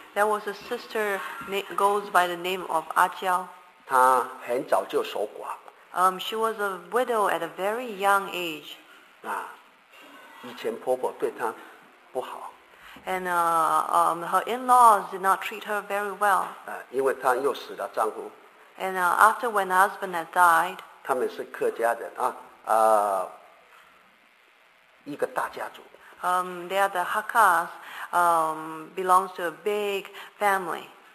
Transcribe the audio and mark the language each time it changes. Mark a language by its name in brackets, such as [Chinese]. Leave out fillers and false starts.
[English] There was a sister goes by the name of 阿娇。 [Chinese] 她很早就守寡。 [English] She was a widow at a very young age. [Chinese] 啊，以前婆婆对她不好。 [English] And her in-laws did not treat her very well. [Chinese] 啊，因为她又死了丈夫。 [English] And after when husband had died. [Chinese] 他们是客家人啊，一个大家族。 [English] They are the Hakkas, belongs to a big family.